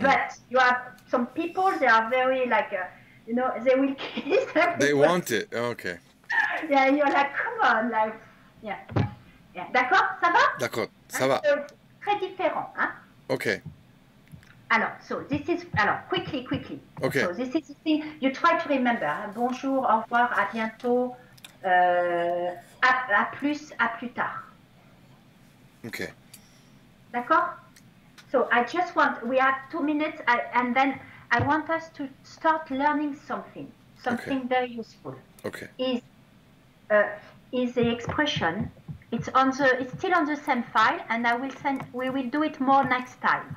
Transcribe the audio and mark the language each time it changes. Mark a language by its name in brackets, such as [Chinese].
[English] But you have some people, they are very like, they will kiss everybody. They want it, okay. Yeah, you're like, come on, like, [French] D'accord, ça va? D'accord, ça va. Très différent, hein? [English] Okay. Quickly. Okay. So this is the thing, you try to remember, hein? [French] Bonjour, au revoir, à bientôt, à plus tard. [English] Okay. [French] D'accord? [English] So I just want, we have 2 minutes, and then I want us to start learning something very useful. Okay. Is the expression, it's still on the same file, and we will do it more next time.